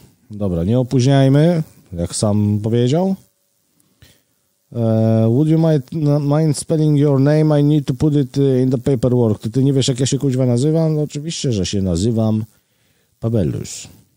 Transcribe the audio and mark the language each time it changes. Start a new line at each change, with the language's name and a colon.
Polish: Dobra, nie opóźniajmy, jak sam powiedział.
English: Would you mind spelling your name? I need to put it in the paperwork.
Polish: Ty nie wiesz, jak ja się kuźwa nazywam? No, oczywiście, że się nazywam Pabelus.